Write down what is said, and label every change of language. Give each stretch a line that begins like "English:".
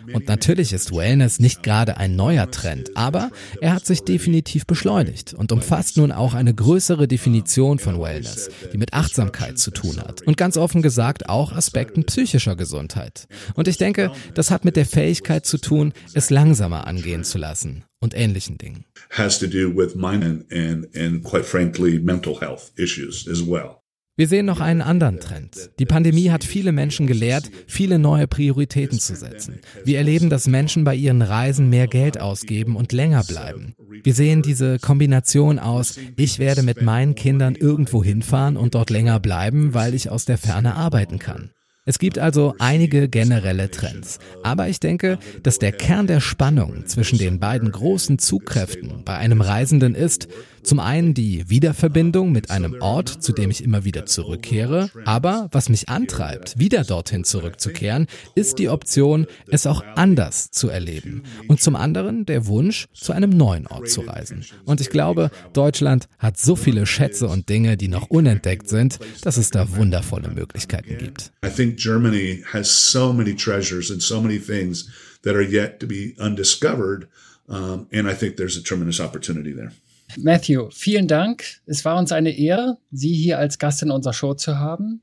German: Und natürlich ist Wellness nicht gerade ein neuer Trend, aber er hat sich definitiv beschleunigt und umfasst nun auch eine größere Definition von Wellness, die mit Achtsamkeit zu tun hat und ganz offen gesagt auch Aspekten psychischer Gesundheit. Und ich denke, das hat mit der Fähigkeit zu tun, es langsamer angehen zu lassen und ähnlichen Dingen.
English: Has to do with mine and quite frankly mental health issues as well.
German: Wir sehen noch einen anderen Trend. Die Pandemie hat viele Menschen gelehrt, viele neue Prioritäten zu setzen. Wir erleben, dass Menschen bei ihren Reisen mehr Geld ausgeben und länger bleiben. Wir sehen diese Kombination aus, ich werde mit meinen Kindern irgendwo hinfahren und dort länger bleiben, weil ich aus der Ferne arbeiten kann. Es gibt also einige generelle Trends. Aber ich denke, dass der Kern der Spannung zwischen den beiden großen Zugkräften bei einem Reisenden ist, zum einen die Wiederverbindung mit einem Ort, zu dem ich immer wieder zurückkehre, aber was mich antreibt, wieder dorthin zurückzukehren, ist die Option, es auch anders zu erleben. Und zum anderen der Wunsch, zu einem neuen Ort zu reisen. Und ich glaube, Deutschland hat so viele Schätze und Dinge, die noch unentdeckt sind, dass es da wundervolle Möglichkeiten gibt.
English: I think Germany has so many treasures and so many things that are yet to be undiscovered, and I think there's a tremendous opportunity there.
German: Matthew, vielen Dank. Es war uns eine Ehre, Sie hier als Gast in unserer Show zu haben.